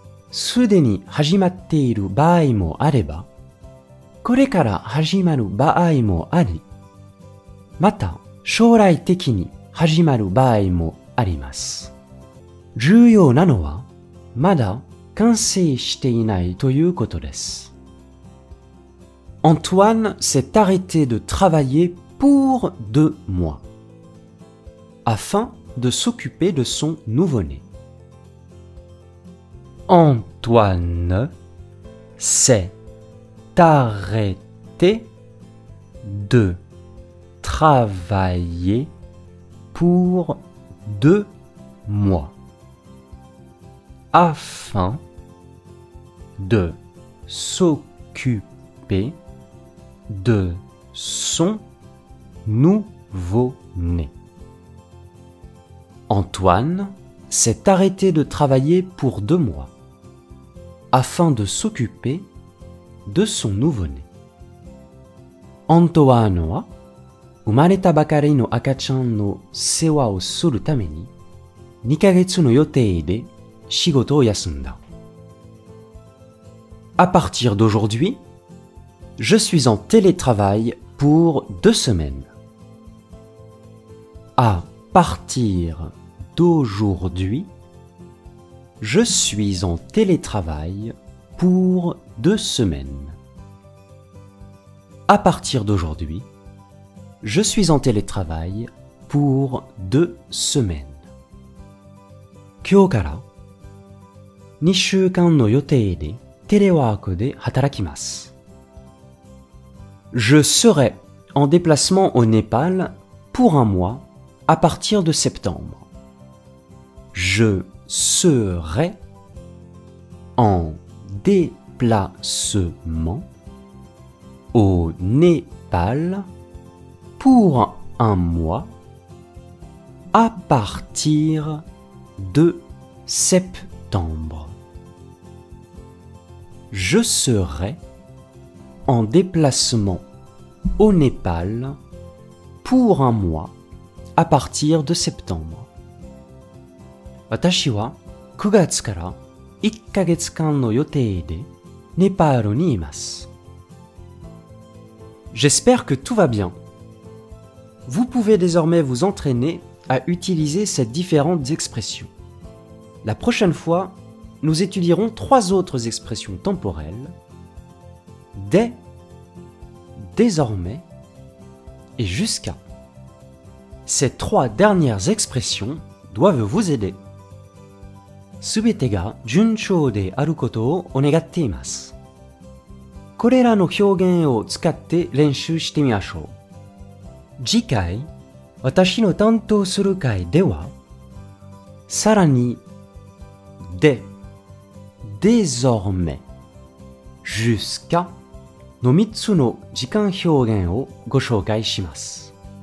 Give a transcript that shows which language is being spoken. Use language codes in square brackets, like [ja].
[ja] すでに始まっている場合もあれば、これから始まる場合もあり、また将来的に始まる場合もあります。重要なのはまだ完成していないということです。 [fr] Antoine s'est arrêté de travailler pour 2 mois, afin de s'occuper de son nouveau-né. Antoine s'est arrêté de travailler pour 2 mois afin de s'occuper de son nouveau-né. Antoine s'est arrêté de travailler pour 2 mois afin de s'occuper de son nouveau-né. [ja] Antoine a 生まれたばかりの赤ちゃんの世話をするために2ヶ月の予定で仕事を休んだ。 [fr] À partir d'aujourd'hui, je suis en télétravail pour 2 semaines. À partir d'aujourd'hui, je suis en télétravail pour 2 semaines. À partir d'aujourd'hui, je suis en télétravail pour 2 semaines. [ja] 今日から2週間の予定でテレワークで働きます。 [fr] Je serai en déplacement au Népal pour 1 mois à partir de septembre. Je serai en déplacement au Népal pour 1 mois à partir de septembre. Je serai en déplacement au Népal pour 1 mois à partir de septembre. [ja] 私は9月から1ヶ月間の予定でネパールにいます。 [fr] J'espère que tout va bien. Vous pouvez désormais vous entraîner à utiliser ces différentes expressions. La prochaine fois, nous étudierons 3 autres expressions temporelles. Dès, désormais et jusqu'à. Ces 3 dernières expressions doivent vous aider. [ja] すべてが順調であることをお願っています。これらの表現を使って練習してみましょう。次回、私の担当する会では、さらに、で、désormais、jusqu'à の3つの時間表現をご紹介します。